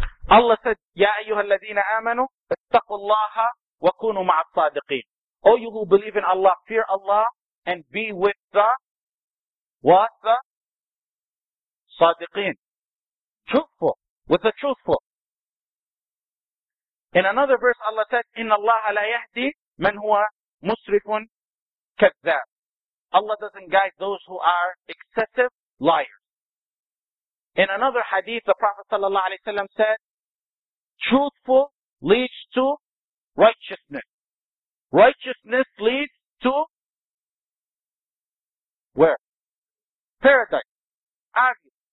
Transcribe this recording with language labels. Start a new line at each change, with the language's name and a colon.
English: Allah said,
Arabic: يَا أَيُّهَا الَّذِينَ آمَنُوا اتَّقُوا اللَّهَ وَكُونُوا مَعَ الصَّادِقِينَ.
English: All you who believe in Allah, fear Allah and be with the what? The صادقين. Truthful. With the truthful. In another verse, Allah said,
Arabic: إِنَّ اللَّهَ لَا يَهْدِي مَنْ هُوَ مُسْرِفٌ كَذَّابٌ.
English: Allah doesn't guide those who are excessive liars. In another hadith, the Prophet ﷺ said, truthful leads to righteousness. Righteousness leads to where? Paradise. Obvious.